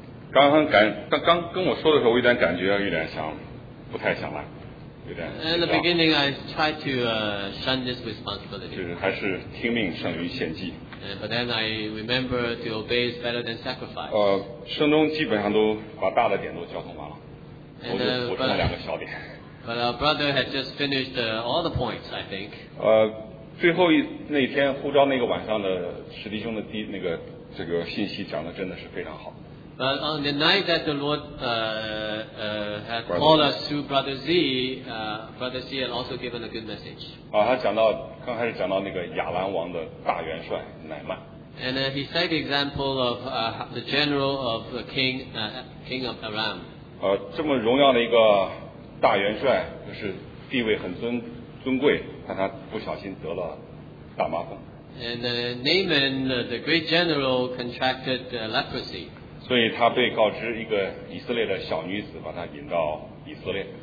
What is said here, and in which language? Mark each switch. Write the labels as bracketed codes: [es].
[zh] 刚跟我说的时候，我有点感觉，有点想，不太想来，有点。 [en] In the beginning, I tried to shun this responsibility. [zh] 就是还是听命胜于献祭。 [en] But then I remember to obey is better than sacrifice. [zh] 圣中基本上都把大的点都交通完了，我剩了两个小点。 [en] But our brother had just finished all the points, I think. [zh] 最后那天呼召那个晚上的史弟兄的这个信息讲的真的是非常好。 [en] But on the night that the Lord had called us to Brother Z, Brother Z had also given a good message. [zh] 他讲到刚开始讲到那个亚兰王的大元帅乃曼。 [en] And he set the example of the general of the king, king of Aram. [zh] 这么荣耀的一个大元帅，就是地位很尊贵，但他不小心得了大麻风。 [en] And Naaman, the great general, contracted leprosy. [zh] 所以他被告知一个以色列的小女子把他引到以色列。